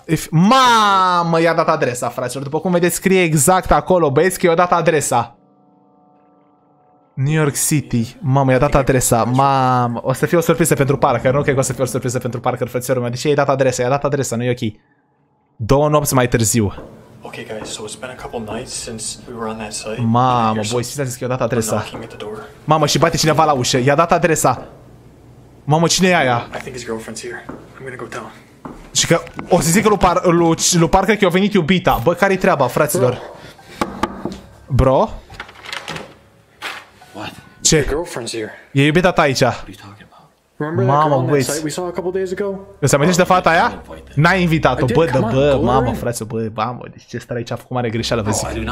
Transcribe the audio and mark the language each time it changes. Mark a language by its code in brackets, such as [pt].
[ro] Mamă, i-a dat adresa, fraților. După cum vedeți, scrie exact acolo, băieți, că i-a dat adresa. New York City, mamă, i-a dat adresa, mamă, o să fie o surpriză pentru Parker, nu cred că o să fie o surpriză pentru Parker, frățiorul meu, de ce i-a dat adresa, nu e ok. Două nopți mai târziu. [en] Ok, guys, so it's been a couple nights since we were on that site. [ro] Mamă, boys, știți, a zis că i-a dat adresa. Mamă, și bate cineva la ușă, i-a dat adresa. Mamă, cine e aia? [en] I think his girlfriend's here, I'm gonna go tell him. [ro] Și că o să zică lui Parker că i-a venit iubita, bă, care-i treaba, fraților? [en] Bro? [ro] Ce? E iubita ta aici. Mamă, băiți. Îți amintești de fata aia? N-ai invitat-o. Bă, dă, bă, mamă, frate, bă, mamă, deci ce stare aici? A făcut mare greșeală, vă zic.